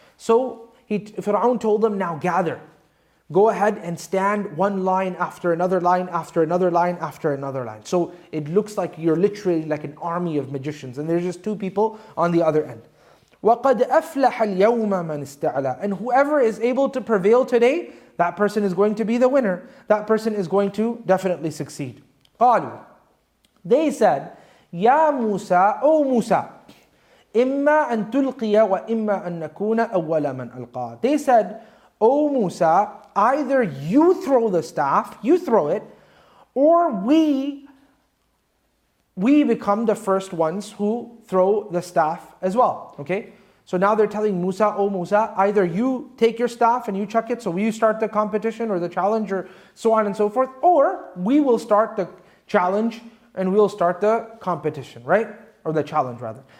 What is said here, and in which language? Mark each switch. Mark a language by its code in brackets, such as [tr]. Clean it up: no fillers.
[en] So Fir'aun told them, now gather. Go ahead and stand one line after another line after another line after another line. So it looks like you're literally like an army of magicians, and there's just two people on the other end. [ar] وَقَدْ أَفْلَحَ الْيَوْمَ مَنْ اسْتَعْلَى. [en] And whoever is able to prevail today, that person is going to be the winner. That person is going to definitely succeed. [ar] قالوا, [en] they said, [ar] يَا مُوسَى, [en] O Musa, [ar] إِمَّا أَن تُلْقِيَ وَإِمَّا أَن نَكُونَ أَوَّلَ مَنْ أَلْقَى. [en] They said, O Musa, either you throw the staff, you throw it, or we become the first ones who throw the staff as well. Okay? So now they're telling Musa, O Musa, either you take your staff and you chuck it, so you start the competition or the challenge or so on and so forth, or we will start the challenge, and we'll start the competition, right? Or the challenge, rather.